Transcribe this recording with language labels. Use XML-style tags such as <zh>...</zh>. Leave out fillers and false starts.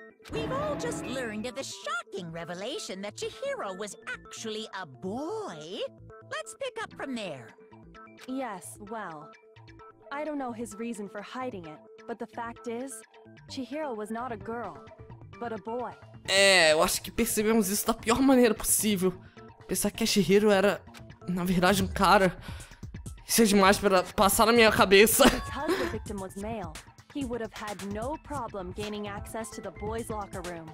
<en>We've all just learned of the shocking revelation that Chihiro was actually a boy. Let's pick up from there. Yes, well, I don't know his reason for hiding it, but the fact is, Chihiro was not a girl, but a boy.</en> <pt>É, eu acho que percebemos isso da pior maneira possível. Pensar que a Chihiro era, na verdade, um cara. Isso é demais pra passar na minha cabeça.</pt> <en>Because the victim was male, he would have had no problem gaining access to the boys' locker room.</en>